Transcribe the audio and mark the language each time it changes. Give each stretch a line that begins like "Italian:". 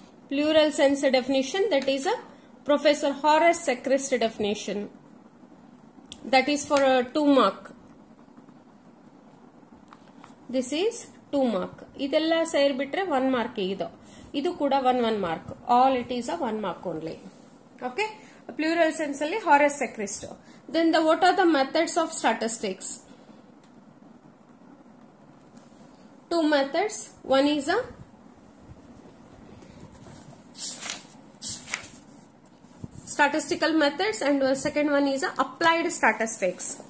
English: Plural sense definition, that is a Professor Horace Sechrist definition. That is for a 2 mark. This is 2 mark.
Kannada: ಇದೆಲ್ಲಾ ಸೇರ್ಬಿಟ್ರೆ 1 mark ಇದು. ಇದು ಕೂಡ 1 mark.
English: All it is a 1 mark only. Okay? Plural sense ಅಲ್ಲಿ Horace Secrist. Then the what are the methods of statistics? Two methods. One is a statistical methods and second one is applied statistics.